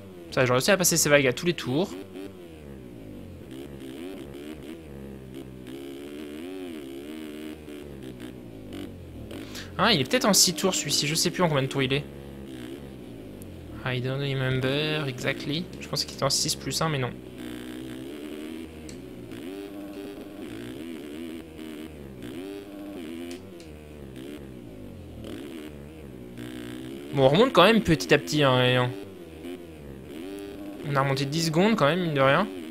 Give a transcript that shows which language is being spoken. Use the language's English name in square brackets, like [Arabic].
[French] Ça, j'ai réussi à passer ces vagues à tous les tours. Ah, il est peut-être en 6 tours celui-ci, je sais plus en combien de tours il est. [English] I don't remember exactly. [French] Je pensais qu'il était en 6 plus 1, mais non. Bon, on remonte quand même petit à petit, hein. On a remonté 10 secondes quand même, mine de rien.